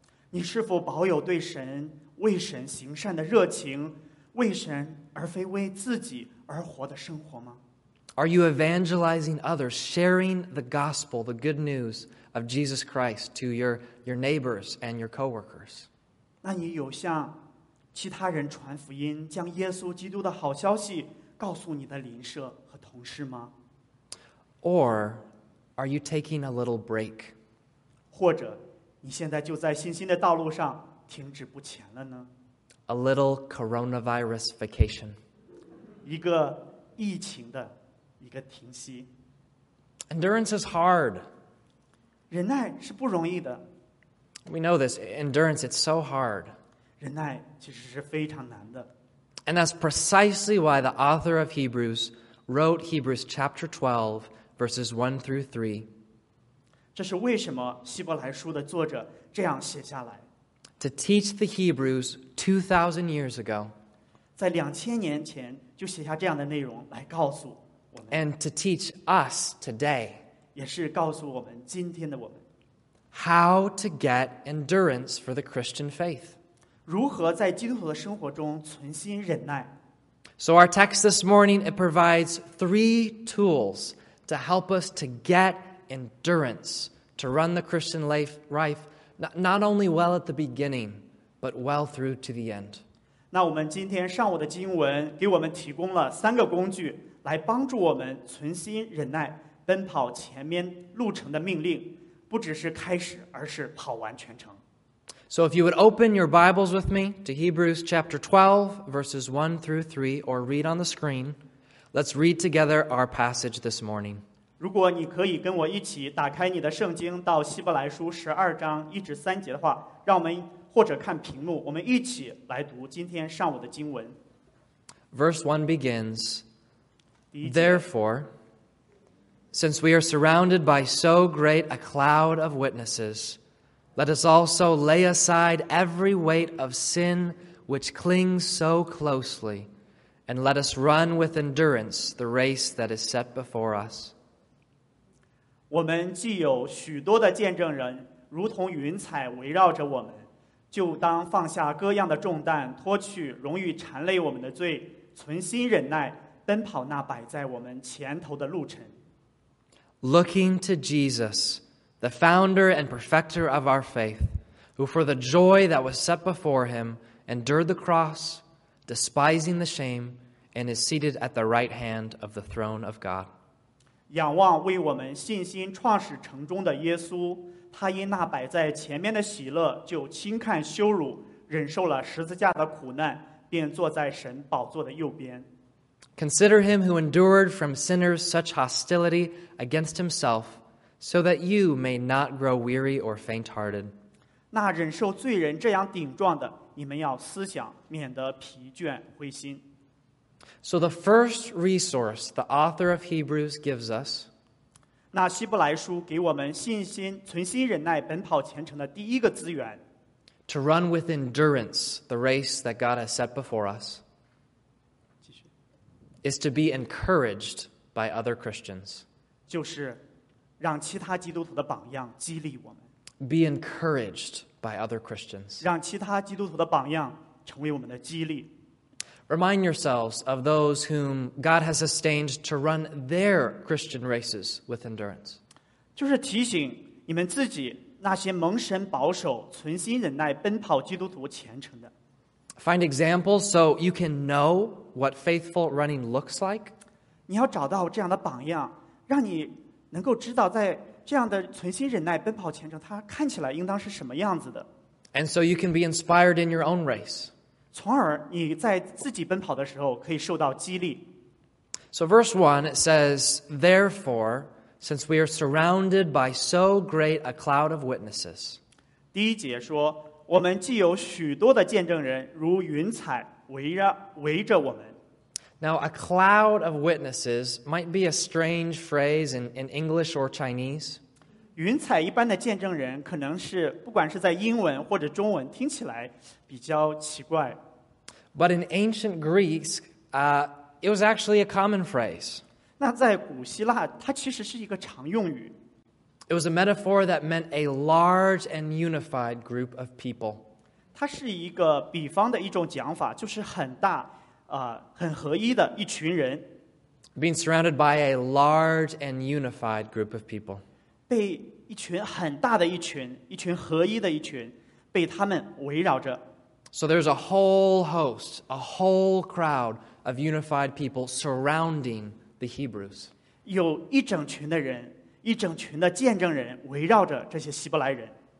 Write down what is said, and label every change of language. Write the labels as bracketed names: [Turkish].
[Chinese] 你是否保有对神，为神行善的热情，为神而非为自己而活的生活吗? [English] Are you evangelizing others, sharing the gospel, the good news of Jesus Christ to your neighbors and your coworkers? [Chinese] 那你有向其他人传福音，将耶稣基督的好消息告诉你的邻舍和同事吗？ [English] Or are you taking a little break? [Chinese] 或者你现在就在信心的道路上停止不前了呢？ [English] A little coronavirus vacation. [Chinese] 一个疫情的一个停息。 [English] Endurance is hard. [Chinese] 忍耐是不容易的。 [English] We know this. Endurance, it's so hard. [Chinese] 忍耐其实是非常难的。 [English] And that's precisely why the author of Hebrews wrote Hebrews chapter 12, verses 1 through 3. [Chinese] 这是为什么希伯来书的作者这样写下来。 [English] To teach the Hebrews 2,000 years ago. [Chinese] 在2000年前就写下这样的内容来告诉我们。 [English] And to teach us today. [Chinese] 也是告诉我们今天的我们。 [English] How to get endurance for the Christian faith. [Chinese] 如何在基督徒的生活中存心忍耐？ [English] So our text this morning, it provides three tools to help us to get endurance, to run the Christian life not only well at the beginning, but well through to the end. [Chinese] 那我们今天上午的经文给我们提供了三个工具来帮助我们存心忍耐，奔跑前面路程的命令，不只是开始，而是跑完全程。 [English] So if you would open your Bibles with me to Hebrews chapter 12, verses 1 through 3, or read on the screen, let's read together our passage this morning. [Chinese] 如果你可以跟我一起打开你的圣经到希伯来书12章1至3节的话，让我们或者看屏幕，我们一起来读今天上午的经文。 [English] Verse 1 begins, Therefore, since we are surrounded by so great a cloud of witnesses,Let us also lay aside every weight of sin which clings so closely, and let us run with endurance the race that is set before us. [Chinese] 我们既有许多的见证人，如同云彩围绕着我们，就当放下各样的重担，脱去容易缠累我们的罪，存心忍耐，奔跑那摆在我们前头的路程。 [English] Looking to Jesus. The founder and perfecter of our faith, who for the joy that was set before him endured the cross, despising the shame, and is seated at the right hand of the throne of God. [Chinese] 仰望为我们信心创始成终的耶稣，他因那摆在前面的喜乐，就轻看羞辱，忍受了十字架的苦难，便坐在神宝座的右边。 [English] Consider him who endured from sinners such hostility against himself. So that you may not grow weary or faint-hearted. [Chinese] 那忍受罪人这样顶撞的，你们要思想，免得疲倦灰心。 [English] So the first resource the author of Hebrews gives us. [Chinese] 那希伯来书给我们信心、存心忍耐、奔跑前程的第一个资源。 [English] To run with endurance the race that God has set before us. [Chinese] 继续。 [English] Is to be encouraged by other Christians. [Chinese] 就是。让其他基督徒的榜样激励我们。 [English] Be encouraged by other Christians. [Chinese] 让其他基督徒的榜样成为我们的激励。 [English] Remind yourselves of those whom God has sustained to run their Christian races with endurance. [Chinese] 就是提醒你们自己那些蒙神保守、存心忍耐、奔跑基督徒前程的。 [English] Find examples so you can know what faithful running looks like. [Chinese] 你要找到这样的榜样，让你。能够知道在这样的存心忍耐奔跑前程它看起来应当是什么样子的。 [English] And so you can be inspired in your own race. [Chinese] 从而你在自己奔跑的时候可以受到激励。 [English] So verse 1 it says, Therefore, since we are surrounded by so great a cloud of witnesses. [Chinese] 第一节说我们既有许多的见证人如云彩围着我们。 [English] Now, a cloud of witnesses might be a strange phrase in English or Chinese. [Chinese] 云彩一般的见证人可能是不管是在英文或者中文听起来比较奇怪。 [English] But in ancient Greece, it was actually a common phrase. [Chinese] 那在古希腊它其实是一个常用语。 [English] It was a metaphor that meant a large and unified group of people. [Chinese] 它是一个比方的一种讲法，就是很大。很合一的一群人。 [English] Being surrounded by a large and unified group of people. [Chinese] 被一群很大的一群合一的一群被他们围绕着。 [English] So there's a whole host, a whole crowd of unified people surrounding the Hebrews. [Chinese] 有一整群的人，一整群的见证人围绕着这些希伯来人。